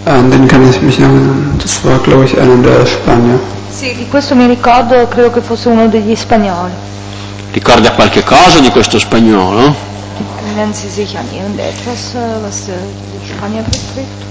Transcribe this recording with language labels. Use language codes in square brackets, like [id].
[de] Den kann ich mich erinnern. Das war, glaube ich, einer der Spanier. [it] Sì, di questo mi ricordo, credo che fosse uno degli spagnoli. Ricorda qualche cosa di questo spagnolo? [de] Erinnern Sie sich an irgendetwas, was die Spanier betrifft?